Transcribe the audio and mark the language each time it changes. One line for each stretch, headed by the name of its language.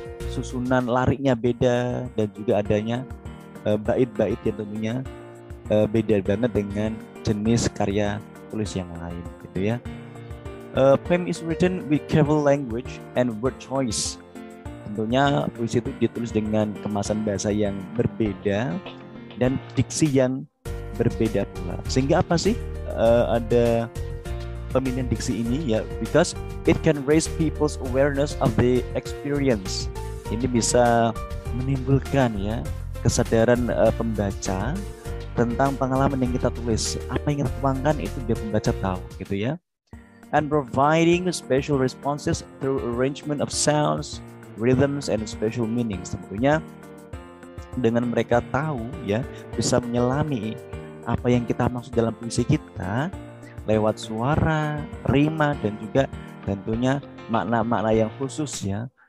Indonesian: susunan lariknya beda, dan juga adanya bait-bait yang tentunya beda banget dengan jenis karya tulis yang lain, gitu, ya.
English: Poem is written with careful language and word choice.
Indonesian: Tentunya puisi itu ditulis dengan kemasan bahasa yang berbeda dan diksi yang berbeda pula. Sehingga apa sih ada pemilihan diksi ini, ya?
English: Because it can raise people's awareness of the experience.
Indonesian: Ini bisa menimbulkan, ya, kesadaran pembaca tentang pengalaman yang kita tulis, apa yang kita tuangkan itu biar pembaca tahu gitu ya.
English: And providing special responses through arrangement of sounds, rhythms, and special meanings.
Indonesian: Tentunya dengan mereka tahu ya, bisa menyelami apa yang kita maksud dalam puisi kita lewat suara, rima, dan juga tentunya makna-makna yang khusus ya.